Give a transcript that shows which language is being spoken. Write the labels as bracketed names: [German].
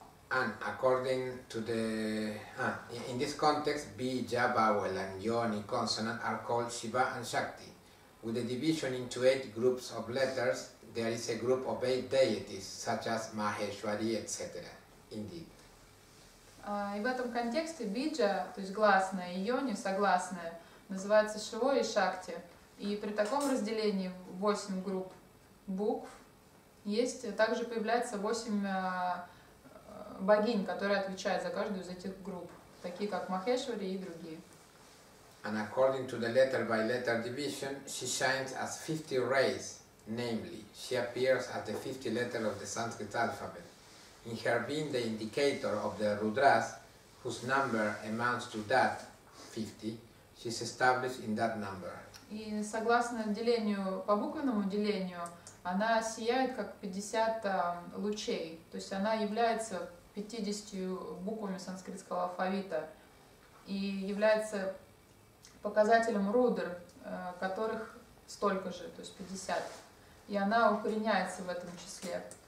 [English] And according to the in this context, bija vowel and yoni consonant are called Shiva and Shakti. With the division into 8 groups of letters, there is a group of 8 deities, such as Maheshwari, etc. Indeed. [Russian] И в этом контексте бижа, то есть гласная, и йони, согласная, называются Шиво и Шакти. И при таком разделении 8 групп букв есть, также появляется 8 богинь, которые отвечают за каждую из этих групп, такие как Махешвари и другие. [English] And according to the letter by letter division, she shines as 50 rays, namely, she appears as the 50 letters of the Sanskrit alphabet, in her being the indicator of the Rudras, whose number amounts to that 50, she is established in that number. [Russian] И согласно делению, по буквенному делению, она сияет как 50 лучей, то есть она является 50 буквами санскритского алфавита и является показателем рудр, которых столько же, то есть 50, и она укореняется в этом числе.